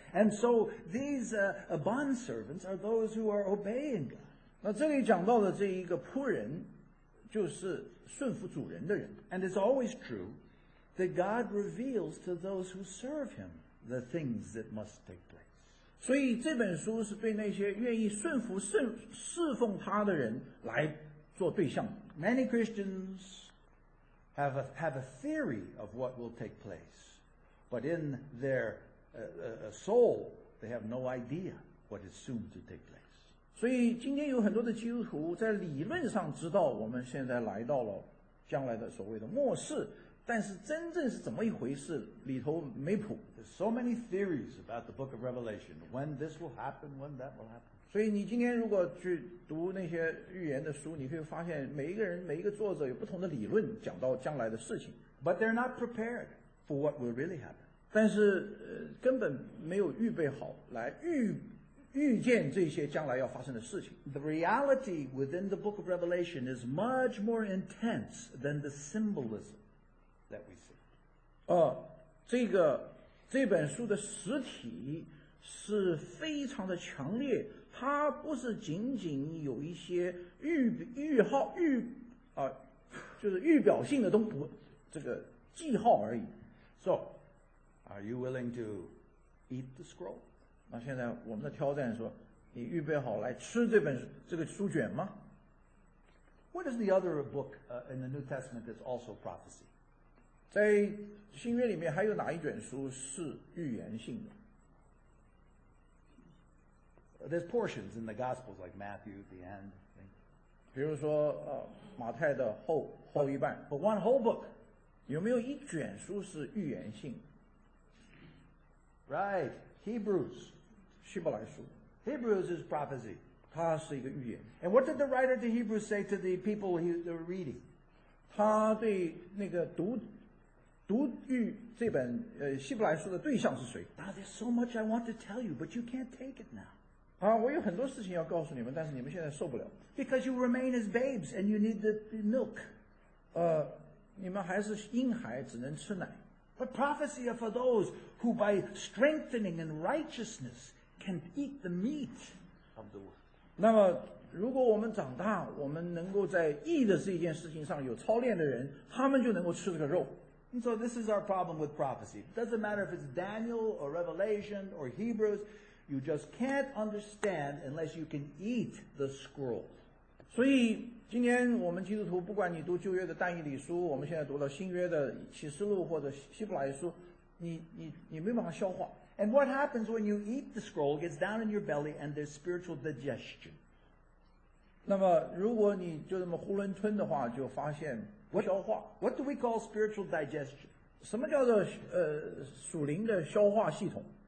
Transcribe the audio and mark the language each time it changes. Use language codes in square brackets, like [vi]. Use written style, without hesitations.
[en] And so these bond servants are those who are obeying God. [zh] 那这里讲到的这一个仆人就是顺服主人的人。 [en] And it's always true. That God reveals to those who serve Him the things that must take place. [zh] 所以这本书是对那些愿意顺服侍奉他的人来做对象。 [en] Many Christians have a theory of what will take place, but in their soul, they have no idea what is soon to take place. [zh] 所以今天有很多的基督徒在理论上知道我们现在来到了将来的所谓的末世。但是真正是怎么一回事里头没谱。 [en] There's so many theories about the book of Revelation. When this will happen, when that will happen. [zh] 所以你今天如果去读那些预言的书你会发现每一个人每一个作者有不同的理论讲到将来的事情。 [en] But they're not prepared for what will really happen. [zh] 但是根本没有预备好来预见这些将来要发生的事情。 [en] The reality within the book of Revelation is much more intense than the symbolism. That we see. [zh] 这本书的实体是非常的强烈，它不是仅仅有一些预表性的东西，这个记号而已。 [en] So, are you willing to eat the scroll? [zh] 那现在我们的挑战说，你预备好来吃这本这个书卷吗 [en] ？What is the other book in the New Testament that's also prophecy? [zh] 在新约里面还有哪一卷书是预言性的 [en] ？There's portions in the Gospels like Matthew, the end. [zh] 比如说马太的后一半。 [en] But one whole book, [zh] 有没有一卷书是预言性 [en] ？Right, Hebrews, [zh] 希伯来书。 [en] Hebrews is prophecy. [zh] 它是一个预言。 [en] And what did the writer to Hebrews say to the people he was reading? [zh] 他对那个读预这本希伯来书的对象是谁 [en] Now, there's so much I want to tell you, but you can't take it now. [zh] 啊，我有很多事情要告诉你们，但是你们现在受不了。 [en] Because you remain as babes and you need the milk. [zh] 你们还是婴孩，只能吃奶。 [en] But prophecy are for those who by strengthening and righteousness can eat the meat of the word. [zh] 那么，如果我们长大，我们能够在义的这件事情上有操练的人，他们就能够吃这个肉。 [en] And so this is our problem with prophecy. It doesn't matter if it's Daniel or Revelation or Hebrews. You just can't understand unless you can eat the scroll. [zh] 所以今天我们基督徒不管你读旧约的但以理书我们现在读了新约的启示录或者希伯来书你没办法消化。 [en] And what happens when you eat the scroll gets down in your belly and there's spiritual digestion. [zh] 那么如果你就这么囫囵吞的话就发现 [en] What do we call spiritual digestion? [zh] 什么叫做属灵的消化系统